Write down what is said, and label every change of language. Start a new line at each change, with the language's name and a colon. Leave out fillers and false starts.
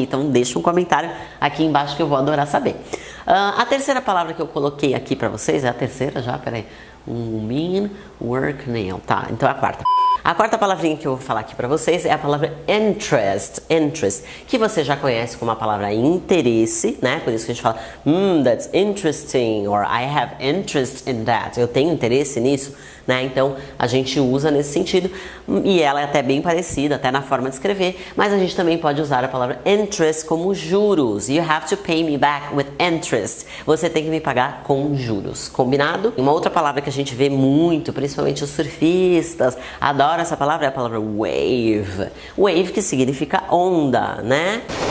Portuguese: Então deixa um comentário aqui embaixo que eu vou adorar saber. A terceira palavra que eu coloquei aqui para vocês é a terceira já, peraí.
English: Mean work nail.
Portuguese: Tá, então é a quarta. A quarta palavrinha que eu vou falar aqui para vocês é a palavra interest, interest, que você já conhece como a palavra interesse, né? Por isso que a gente fala,
English: that's interesting, or I have interest in that.
Portuguese: Eu tenho interesse nisso, né? Então a gente usa nesse sentido e ela é até bem parecida, até na forma de escrever, mas a gente também pode usar a palavra interest como juros.
English: You have to pay me back with interest.
Portuguese: Você tem que me pagar com juros, combinado? E uma outra palavra que a gente vê muito, principalmente os surfistas, adoram essa palavra, é a palavra wave. Wave que significa onda, né?